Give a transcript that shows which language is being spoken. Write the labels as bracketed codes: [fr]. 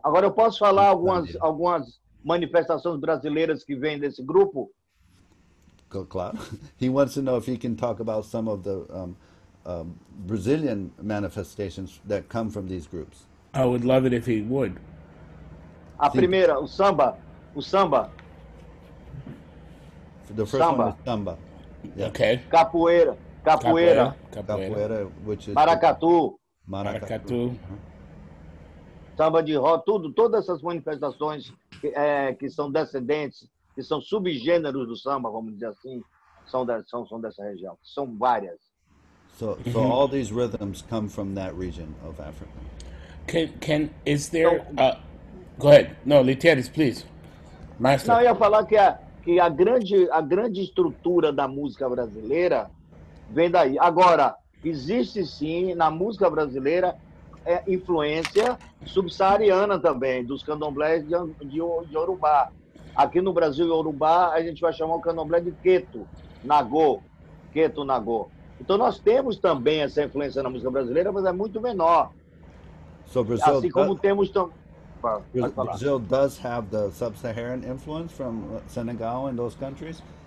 [pt] Agora eu posso falar algumas manifestações brasileiras que vêm desse grupo? Claro. [en] He wants to know if he can talk about some of the Brazilian manifestations that come from these groups. I would love it if he would. [pt] A primeira, o samba. O samba. [en] The first samba. One is samba. Yeah. Okay. [pt] Capoeira. Capoeira. [en] Capoeira, which is... [pt] Maracatu. Maracatu. Samba de roda, tudo, todas essas manifestações que são descendentes, que são subgêneros do samba, vamos dizer assim, são dessa região, são várias. [en] So all these rhythms come from that region of Africa. Can is there? Go ahead. No, Letieres, please, master. [pt] Não, eu ia falar que a grande estrutura da música brasileira vem daí. Agora existe sim na música brasileira influência subsaariana também, dos candomblés de Yorubá. Aqui no Brasil, Yorubá, a gente vai chamar o candomblé de Queto Nagô. Então nós temos também essa influência na música brasileira, mas é muito menor. [en] So Brazil, [pt] assim como temos também... [en] Brazil does have the sub-Saharan influence from Senegal and those countries.